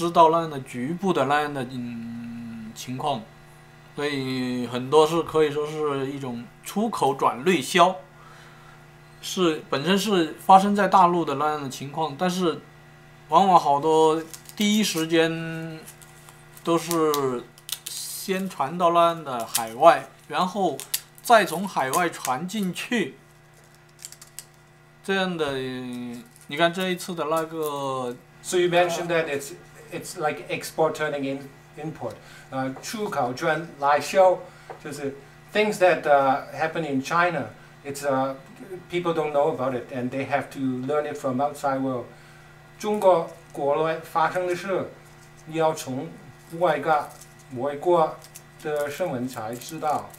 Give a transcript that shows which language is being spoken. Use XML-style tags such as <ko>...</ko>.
<zh>现在发生在那样的大陆的那一些，中国大陆的那一些，侵犯人权的那一些令人发指的事件呢，都因为在中国幅员辽阔，所以往往一般都是只是知道那样的局部的那样的情况。所以很多是可以说是一种出口转内销，是本身是发生在大陆的那样的情况，但是往往好多第一时间都是先传到那样的海外，然后再从海外传进去。这样的，你看这一次的那个。</zh> <en>So you mentioned that it's like export turning in import.</en> <zh>出口转来销，就是</zh> <en>things that happen in China. It's people don't know about it, and they have to learn it from outside world.</en> <zh>中国国内发生的事，你要从外国外国的新闻才知道。</zh>